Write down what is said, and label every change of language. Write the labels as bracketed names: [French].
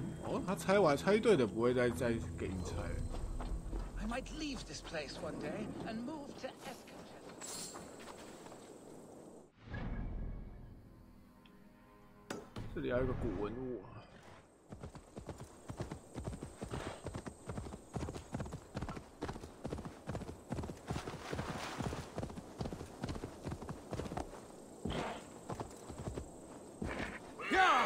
[Chinese] 哦，他猜完猜对的不会再给你猜。 [English] I might leave this place one day and move to... [Chinese] 这里还有一个古文物啊！呀！